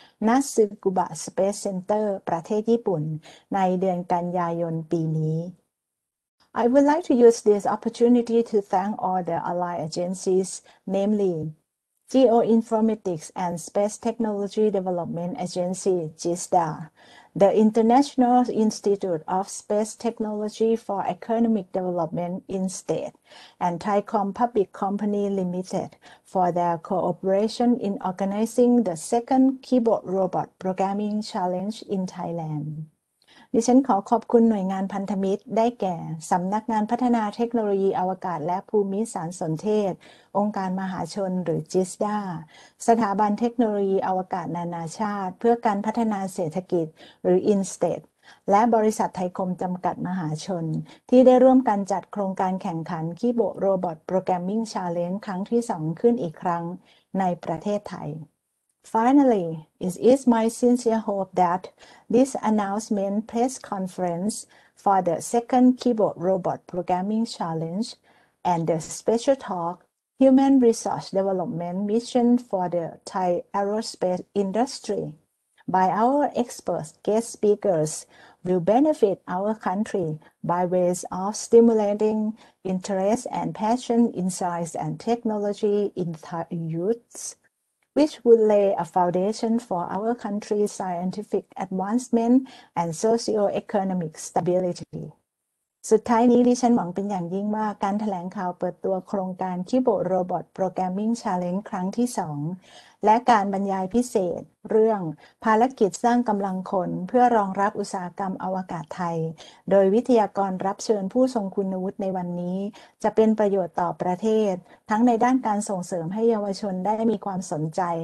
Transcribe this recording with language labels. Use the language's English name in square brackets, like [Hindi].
[Thai] ณ Tsukuba Space Center ประเทศญี่ปุ่นในเดือนกันยายนปีนี้ [English] I would like to use this opportunity to thank all the allied agencies, namely Geoinformatics and Space Technology Development Agency, GISDA. The International Institute of Space Technology for Economic Development instead, and Thaicom Public Company Limited for their cooperation in organizing the second Kibo Robot Programming Challenge in Thailand. [Thai] ดิฉันขอขอบคุณหน่วยงานพันธมิตรได้แก่สำนักงานพัฒนาเทคโนโลยีอวกาศและภูมิสารสนเทศองค์การมหาชนหรือ JISDA สถาบันเทคโนโลยีอวกาศนานาชาติเพื่อการพัฒนาเศรษฐกิจหรือ INSTEADและบริษัทไทยคมจำกัดมหาชนที่ได้ร่วมกันจัดโครงการแข่งขันคีโบโรบอทโปรแกรมมิ่งชาเลนจ์ครั้งที่2ขึ้นอีกครั้งในประเทศไทย [English] Finally it is my sincere hope thatThis announcement press conference for the second Kibo Robot Programming Challenge and the special talk Human Resource Development Mission for the Thai Aerospace Industry by our expert guest speakers will benefit our country by ways of stimulating interest and passion in science and technology in Thai youths, which would lay a foundation for our country's scientific advancement and socio-economic stability. [Thai] สุดท้ายนี้ดิฉันหวังเป็นอย่างยิ่งว่าการแถลงข่าวเปิดตัวโครงการคิโบโรบอทโปรแกรมมิ่งชาเลนจ์ครั้งที่2และการบรรยายพิเศษเรื่องภารกิจสร้างกำลังคนเพื่อรองรับอุตสาหกรรมอวกาศไทยโดยวิทยากรรับเชิญผู้ทรงคุณวุฒิในวันนี้จะเป็นประโยชน์ต่อประเทศทั้งในด้านการส่งเสริมให้เยาวชนได้มีความสนใจ